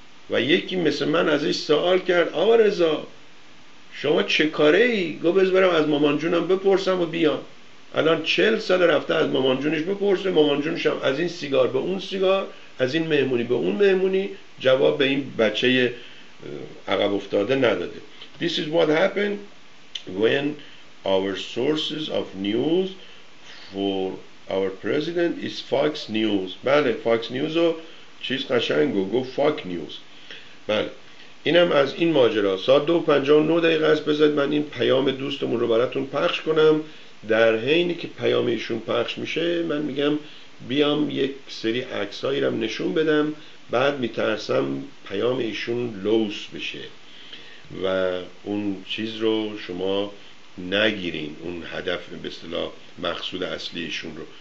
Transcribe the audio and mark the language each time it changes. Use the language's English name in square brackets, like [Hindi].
[Persian] و یکی مثل من ازش سوال کرد آقا رضا شما چه کاره ای؟ گو بذار برم از مامان جونم بپرسم و بیام. الان 40 سال رفته از مامان جونش بپرسه، مامان جونش هم از این سیگار به اون سیگار، از این مهمونی به اون مهمونی، جواب به این بچه عقب افتاده نداده. [English] This is what happened when our sources of news for our president is Fox News. [Persian] بله Fox News رو چیز قشنگو گو Fox News. بله اینم از این ماجرا. ساعت 2:59 است، بذارید من این پیام دوستمون رو براتون پخش کنم. در حینی که پیام ایشون پخش میشه من میگم بیام یک سری عکسایی رو نشون بدم، بعد میترسم پیام ایشون لوس بشه و اون چیز رو شما نگیرین، اون هدف به اصطلاح مقصود اصلی ایشون رو.